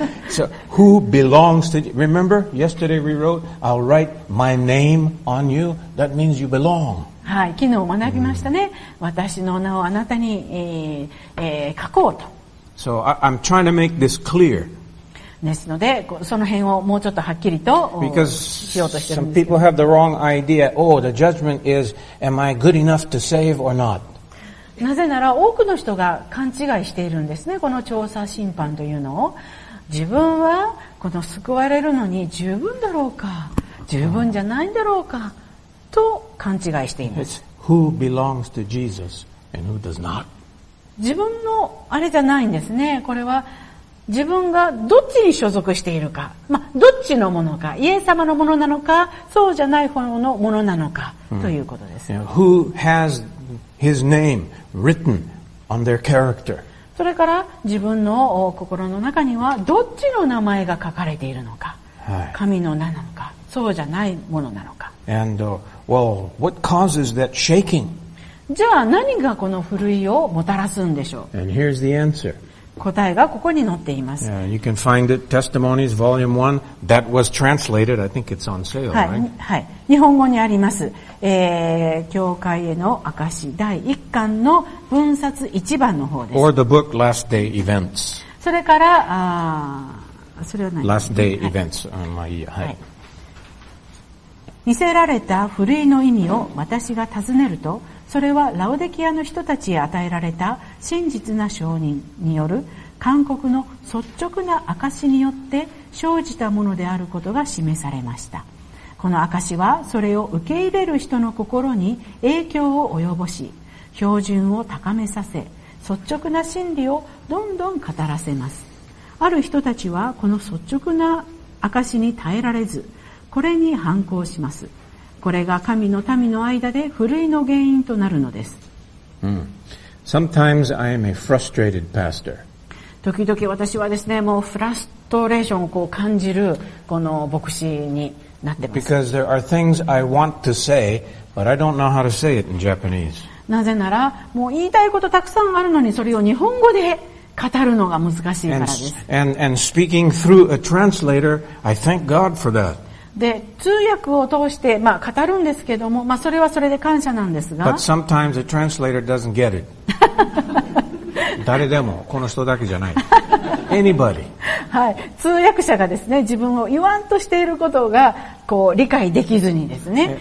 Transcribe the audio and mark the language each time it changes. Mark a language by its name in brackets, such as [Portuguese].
[English] So, who belongs to, remember, yesterday we wrote, I'll write my name on you, that means you belong. [Japanese] はい、昨日学びましたね。私の名をあなたに、書こうと。 [English] So, I'm trying to make this clear. [Japanese] ですので、その辺をもうちょっとはっきりとしようとしてるんですけど。 [English] Some people have the wrong idea. Oh, the judgment is, am I good enough to save or not? [Japanese] なぜなら多くの人が勘違いしているんですね、この調査審判というのを。自分はこの救われるのに十分だろうか、十分じゃないんだろうかと勘違いしています。 [English] Who belongs to Jesus and who does not? [Japanese] 自分のあれじゃないんですね。これは自分がどっちに所属しているか、まあ、どっちのものか、イエス様のものなのか、そうじゃない方のものなのか、ということです。 [English] Who has his name written on their character? [Japanese] それから自分の心の中にはどっちの名前が書かれているのか、はい、神の名なのか、そうじゃないものなのか。 [English] And, well, what causes that shaking? [Japanese] じゃあ何がこの震いをもたらすんでしょう。 [English] And here's the answer. [Japanese] 答えがここに載っています。 [English] yeah, You can find it, Testimonies, Volume 1. That was translated, I think it's on sale, right? [Japanese] はい、はい、日本語にあります、教会への証第1巻の分冊1番の方です。 [English] Or the book Last Day Events. [Japanese] それから、あ、それは何、 Last Day Events、はい、まあいいや、はい、見せられた古いの意味を私が尋ねると、それはラオデキアの人たちへ与えられた真実な証人による勧告の率直な証によって生じたものであることが示されました。この証はそれを受け入れる人の心に影響を及ぼし、標準を高めさせ、率直な真理をどんどん語らせます。ある人たちはこの率直な証に耐えられず、これに反抗します。これが神の民の間で古いの原因となるのです。 [English] Sometimes I am a frustrated pastor. [Japanese] 時々私はですね、もうフラストレーションをこう感じるこの牧師になってます。 [English] Because there are things I want to say, but I don't know how to say it in Japanese. [Japanese] なぜならもう言いたいことたくさんあるのに、それを日本語で語るのが難しいからです。 [English] And speaking through a translator, I thank God for that. [Japanese] で、通訳を通して、まあ、語るんですけども、まあ、それはそれで感謝なんですが。 [English] But sometimes a translator doesn't get it. [Japanese] 誰でも、この人だけじゃない。 [English] Anybody. [Japanese] はい。通訳者がですね、自分を言わんとしていることが、こう、理解できずにですね。